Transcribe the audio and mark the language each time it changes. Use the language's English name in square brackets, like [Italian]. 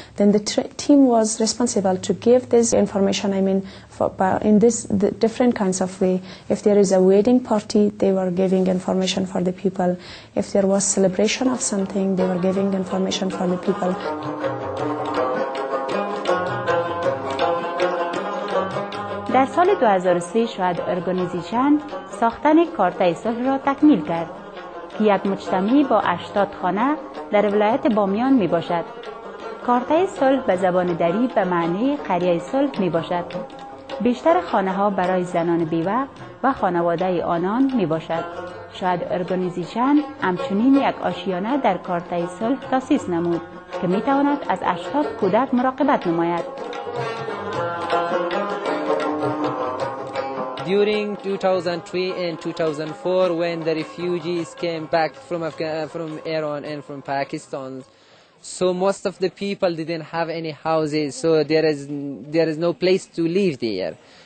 [English] Then the team was responsible to give this information, the different kinds of way. If there is a wedding party, they were giving information for the people. If there was celebration of something, they were giving information for the people. [Persian] در سال 2003 شاید ارگانیزیشن ساختن کارتای صلح را تکمیل کرد که یک مجتمعی با 80 خانه در ولایت بامیان می باشد. کارتای صلح به زبان دری به معنی قریه صلح می باشد. بیشتر خانه ها برای زنان بیوه و خانواده آنان می باشد. شاید ارگانیزیشن همچنین یک آشیانه در کارتای صلح تاسیس نمود که می تواند از 80 کودک مراقبت نماید. [English] During 2003 and 2004, when the refugees came back from Iran and from Pakistan, so most of the people didn't have any houses, so there is no place to live there.